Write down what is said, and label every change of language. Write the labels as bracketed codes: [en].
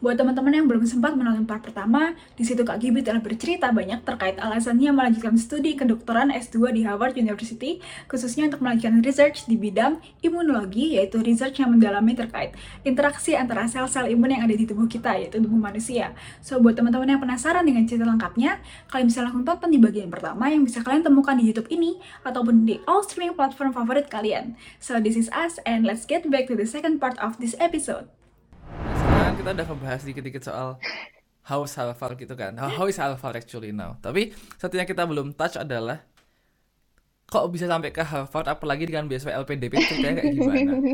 [id] Buat teman-teman yang belum sempat menonton part pertama, di situ Kak Gaby telah bercerita banyak terkait alasannya melanjutkan studi kedokteran S2 di Harvard University, khususnya untuk melanjutkan research di bidang imunologi, yaitu research yang mendalami terkait interaksi antara sel-sel imun yang ada di tubuh kita, yaitu tubuh manusia. So, buat teman-teman yang penasaran dengan cerita lengkapnya, kalian bisa langsung tonton di bagian pertama yang bisa kalian temukan di YouTube ini, ataupun di all streaming platform favorit kalian. [en] So, this is us, and let's get back to the second part of this episode. [id] Sekarang kita udah membahas dikit-dikit soal [en] how is Harvard [id] gitu kan. [en] How is Harvard actually now? [id] Tapi satu yang kita belum touch adalah kok bisa sampai ke Harvard apalagi dengan beasiswa LPDP itu kayak gimana?